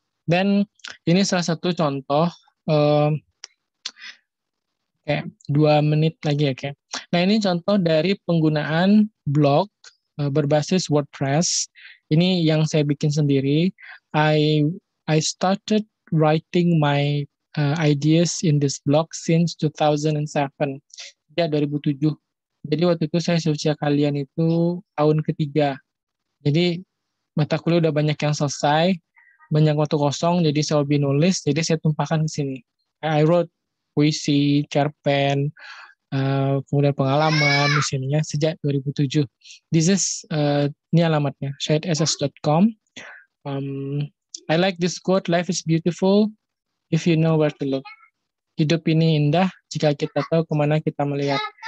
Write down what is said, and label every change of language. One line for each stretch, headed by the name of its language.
Indonesian: Dan ini salah satu contoh. Kayak 2 menit lagi ya, kayak. Nah, ini contoh dari penggunaan blog berbasis WordPress. Ini yang saya bikin sendiri.
English: I started writing my ideas in this blog since 2007.
Indonesian: Ya, 2007. Jadi waktu itu saya usia kalian itu tahun ketiga. Jadi mata kuliah udah banyak yang selesai, banyak waktu kosong, jadi saya hobi nulis, jadi saya tumpahkan ke sini.
English: I wrote
Indonesian: puisi, cerpen, kemudian pengalaman, misalnya, sejak 2007.
English: This is,
Indonesian: ini alamatnya, shadeSS.com.
English: I like this quote, life is beautiful if you know where to look.
Indonesian: Hidup ini indah jika kita tahu kemana kita melihat.